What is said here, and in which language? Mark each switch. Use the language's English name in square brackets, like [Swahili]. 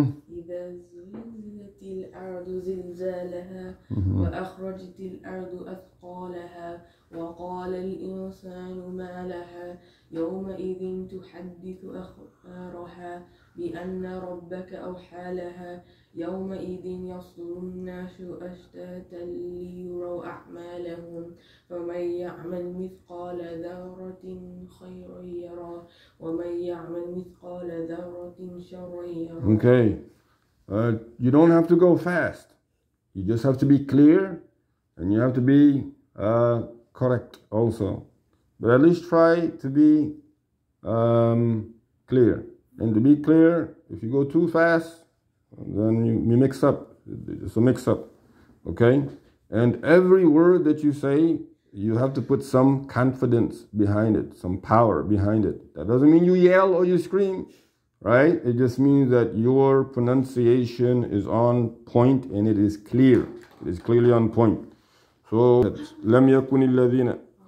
[Arabic] إذا زلزلت الأرض زلزالها وأخرجت الأرض أثقالها وقال الإنسان ما لها يومئذ تحدث أخبارها بأن ربك أوحى لها يومئذ يصدر الناس أشتاتا ليروا أعمالهم فمن يعمل مثقال ذرة خير يرى ومن يعمل مثقال ذرة شر يرى. [English] Okay, you don't have to go fast. You just have to be clear and you have to be correct also. But at least try to be clear. And to be clear, if you go too fast, then you mix up. It's a mix up. Okay? And every word that you say, you have to put some confidence behind it, some power behind it. That doesn't mean you yell or you scream, right? It just means that your pronunciation is on point and it is clear. It is clearly on point. So, [Arabic] لم يكن الذين